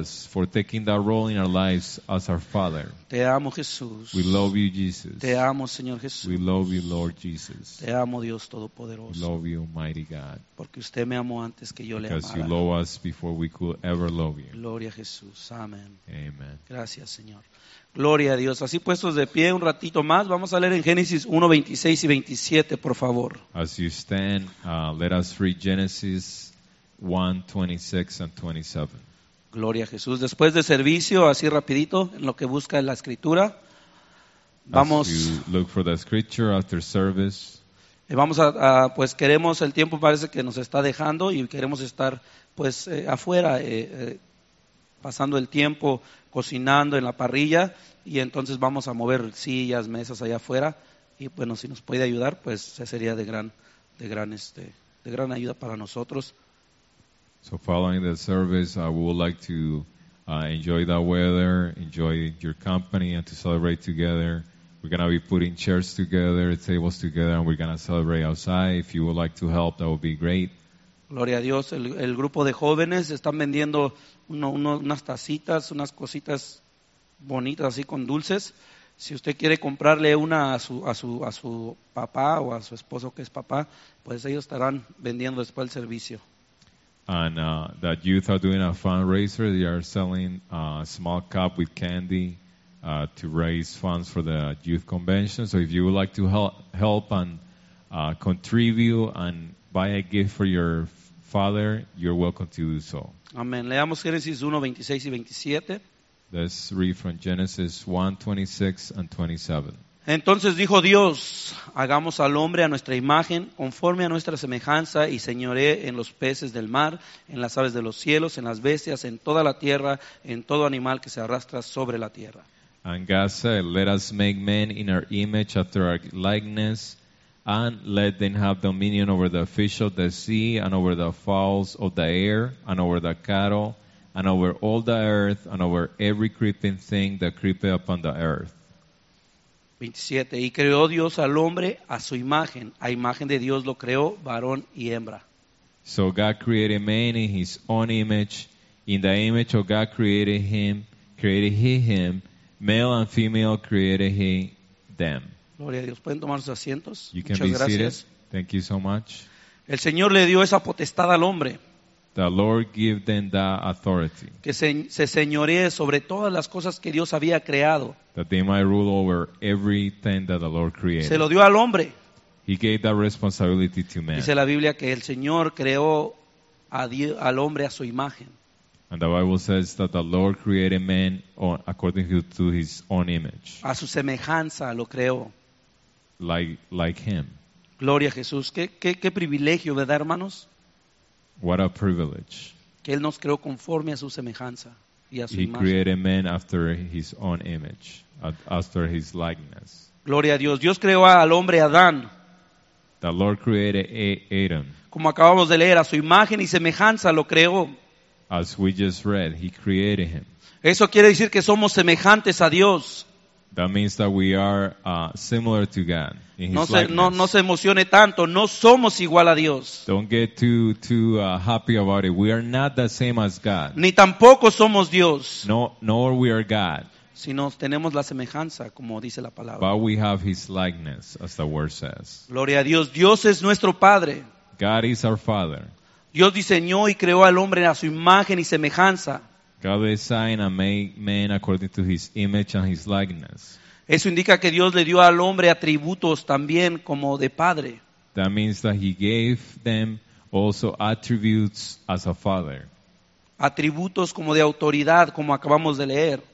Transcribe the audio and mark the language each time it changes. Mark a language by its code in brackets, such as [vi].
[en] Us for taking that role in our lives as our Father. [es] Te amo, Jesús. [en] We love you, Jesus. [es] Te amo, Señor Jesús. [en] We love you, Lord Jesus. [es] Te amo, Dios Todopoderoso. [en] We love you, Mighty God. [es] Porque usted me amó antes que yo [en] because [es] le amara. [en] Because you love us before we could ever love you. [es] Gloria a Jesús. Amén. [en] Amen. [es] Gracias, Señor. Gloria a Dios. Así puestos de pie un ratito más, vamos a leer en Génesis 1, 26 y 27, por favor. [en] As you stand, let us read Genesis 1, 26 and 27. [es] Gloria a Jesús. Después de servicio, así rapidito, en lo que busca la Escritura, vamos. [en] As you look for the Scripture after service. [es] Vamos a pues queremos, el tiempo parece que nos está dejando y queremos estar pues afuera, pasando el tiempo cocinando en la parrilla y entonces vamos a mover sillas, mesas allá afuera y bueno, si nos puede ayudar, pues sería de gran ayuda para nosotros. [en] So following the service, I would like to enjoy that weather, enjoy your company and to celebrate together. We're going to be putting chairs together, tables together and we're going to celebrate outside. If you would like to help, that would be great. [es] Gloria a Dios, el grupo de jóvenes están vendiendo unas tacitas, unas cositas bonitas así con dulces. Si usted quiere comprarle una a su papá o a su esposo que es papá, pues ellos estarán vendiendo después el servicio. [en] And the youth are doing a fundraiser. They are selling a small cup with candy to raise funds for the youth convention. So if you would like to help and contribute and buy a gift for your father, you're welcome to do so. [es] Amén. Leamos Génesis 1, 26 y 27. [en] Let's read from Genesis 1, 26 and 27. [es] Entonces dijo Dios, hagamos al hombre a nuestra imagen, conforme a nuestra semejanza, y señoree en los peces del mar, en las aves de los cielos, en las bestias, en toda la tierra, en todo animal que se arrastra sobre la tierra. [en] And God said, let us make man in our image after our likeness, and let them have dominion over the fish of the sea, and over the fowls of the air, and over the cattle, and over all the earth, and over every creeping thing that creepeth upon the earth. 27. [es] Y creó Dios al hombre a su imagen. A imagen de Dios lo creó, varón y hembra. [en] So God created man in his own image. In the image of God created he him. Male and female created he them. [es] Gloria a Dios. ¿Pueden tomar sus asientos? [en] You [es] muchas [en] can be [es] gracias. [en] Seated. Thank you so much. [es] El Señor le dio esa potestad al hombre. [en] The Lord gave them that authority. [es] Que se señoree sobre todas las cosas que Dios había creado. [en] That they might rule over everything that the Lord created. [es] Se lo dio al hombre. [en] He gave that responsibility to man. [es] Dice la Biblia que el Señor creó al hombre a su imagen. [en] And the Bible says that the Lord created man according to his own image. [es] A su semejanza lo creó. [en] Like him. [es] Gloria a Jesús. ¿Qué privilegio, verdad, hermanos? [en] What a privilege. [es] Que Él nos creó conforme a su semejanza y a su imagen. [en] He created man after his own image, after his likeness. [es] Gloria a Dios. Dios creó al hombre Adán. [en] The Lord created Adam. [es] Como acabamos de leer, a su imagen y semejanza lo creó. [en] As we just read, He created him. [es] Eso quiere decir que somos semejantes a Dios. [en] That means that we are similar to God in His likeness. [es] No se emocione tanto. No somos igual a Dios. [en] Don't get too happy about it. We are not the same as God. [es] Ni tampoco somos Dios. [en] No, nor we are God. [es] Sino tenemos la semejanza, como dice la palabra. [en] But we have His likeness, as the word says. [es] Gloria a Dios. Dios es nuestro Padre. [en] God is our Father. [es] Dios diseñó y creó al hombre a su imagen y semejanza. [en] God designed and made man according to his image and his likeness. [es] Eso indica que Dios le dio al hombre atributos también como de padre. [en] That means that he gave them also attributes as a father. [es] Atributos como de autoridad, como acabamos de leer.